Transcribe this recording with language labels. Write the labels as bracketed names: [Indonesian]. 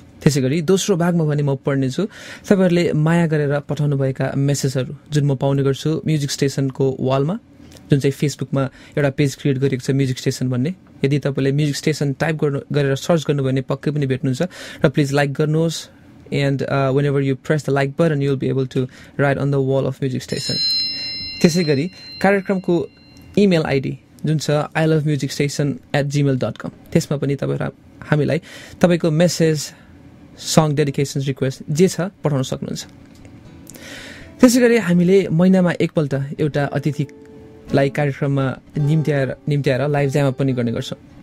[Nepali] त्यसै गरी दोस्रो भागमा भने म पढ्नेछु तपाईँहरूले माया गरेर पठाउनु भएका मेसेजहरू जुन म पाउने गर्छु म्युजिक स्टेसनको वालमा, जुन चाहिँ फेसबुकमा एउटा पेज क्रिएट गरेको छ म्युजिक स्टेसन भन्ने। यदि तपाईँले म्युजिक स्टेसन टाइप गरेर सर्च गर्नुभयो भने पक्कै पनि भेट्नुहुन्छ र प्लिज लाइक गर्नुहोस्। [English] And whenever you press the like button, you'll be able to write on the wall of Music Station. [Nepali] त्यसै गरी कार्यक्रमको इमेल आइडी जुन छ ilovemusicstation@gmail.com त्यसमा पनि तपाईँहरू हामीलाई तपाईँको मेसेज, सङ, डेडिकेसन, रिक्वेस्ट जे छ पठाउन सक्नुहुन्छ। त्यसै गरी हामीले महिनामा एकपल्ट एउटा अतिथिलाई कार्यक्रममा निम्त्याएर लाइभ ज्यामअप पनि गर्ने गर्छौँ।